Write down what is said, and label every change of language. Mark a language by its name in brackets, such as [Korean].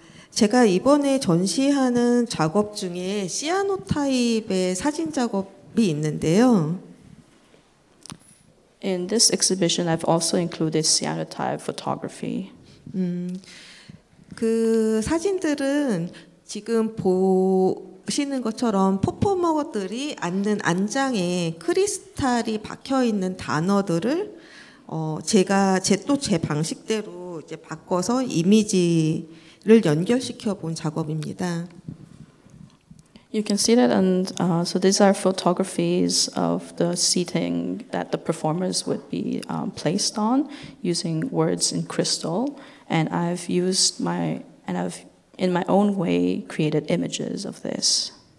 [Korean] 제가 이번에 전시하는 작업 중에 시아노타입의 사진 작업이 있는데요. [English] In this exhibition, I've also included cyanotype photography. [Korean] 그 사진들은 지금 보시는 것처럼 퍼포머들이 앉는 안장에 크리스탈이 박혀 있는 단어들을 제가 제 방식대로 이제 바꿔서 이미지를 연결시켜 본 작업입니다. [English] You can see that, and so these are photographs of the seating that the performers would be placed on using words in crystal. And I've used my, and I've in my own way created images of this.